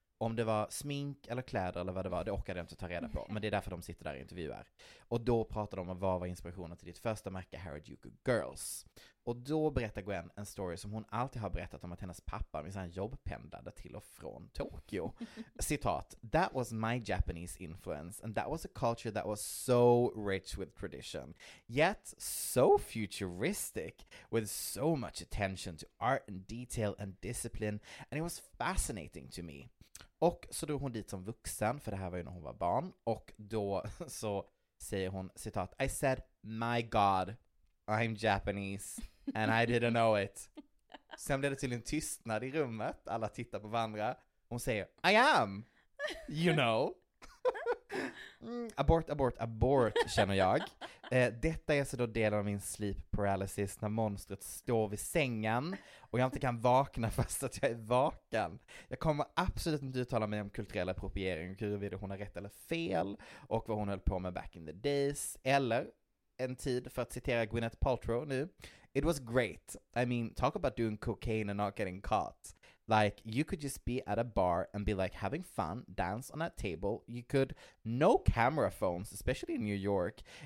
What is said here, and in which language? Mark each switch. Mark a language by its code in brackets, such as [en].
[sv] Om det var smink eller kläder eller vad det var, det orkade jag inte ta reda på. Men det är därför de sitter där och intervjuar. Och då pratar de om vad var inspirationen till ditt första märke, Harajuku Girls. Och då berättar Gwen en story som hon alltid har berättat om att hennes pappa med sin jobb pendlade till och från Tokyo. Citat, [en] that was my Japanese influence and that was a culture that was so rich with tradition. Yet so futuristic with so much attention to art and detail and discipline and it was fascinating to me. [sv] Och så drog hon dit som vuxen, för det här var ju när hon var barn. Och då så säger hon, citat, [en] I said, my god, I'm Japanese, and I didn't know it. [sv] Sen blev det till en tystnad i rummet, alla tittar på varandra. Hon säger, [en] I am, you know. [sv] Abort, abort, abort, känner jag. Detta är så då del av min sleep paralysis när monstret står vid sängen och jag inte kan vakna fast att jag är vaken. Jag kommer absolut inte uttala mig om kulturell appropriering och huruvida hon har rätt eller fel och vad hon höll på med [en] back in the days. [sv] Eller en tid, för att citera Gwyneth Paltrow nu, [en] it was great. I mean, talk about doing cocaine and not getting caught. Like, you could just be at a bar and be like having fun, dance on that table. You could, no camera phones, especially in New York.